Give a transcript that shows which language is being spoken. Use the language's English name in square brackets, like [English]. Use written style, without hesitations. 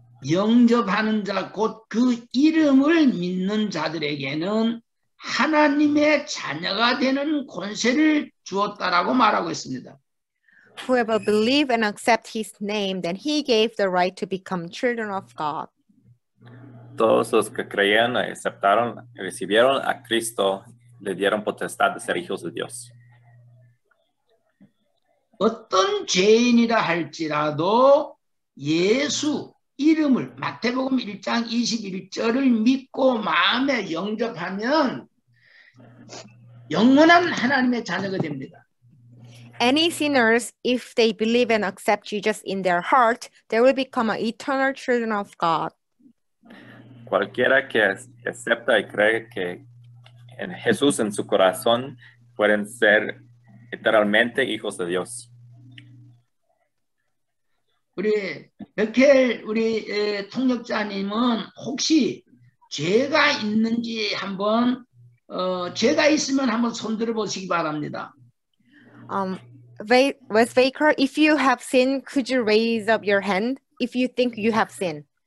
[Korean] 영접하는 자, 곧 그 이름을 믿는 자들에게는 하나님의 자녀가 되는 권세를 주었다라고 말하고 있습니다. [English] Whoever believes and accepts his name, then he gave the right to become children of God. [Spanish] Todos los que creían, aceptaron, recibieron a Cristo, le dieron potestad de ser hijos de Dios. [Korean] 어떤 죄인이라 할지라도 예수 이름을 마태복음 1장 21절을 믿고 마음에 영접하면 영원한 하나님의 자녀가 됩니다. [English] Any sinners, if they believe and accept Jesus in their heart, they will become an eternal children of God. [Spanish] Cualquiera que acepta y cree que en Jesús en su corazón pueden ser eternamente hijos de Dios. [Korean] 우리 백혜엘 우리 통역자님은 혹시 죄가 있는지 한번 죄가 있으면 한번 손들어 보시기 바랍니다. [English] Wes Baker, if you have sin, could you raise up your hand if you think you have sin?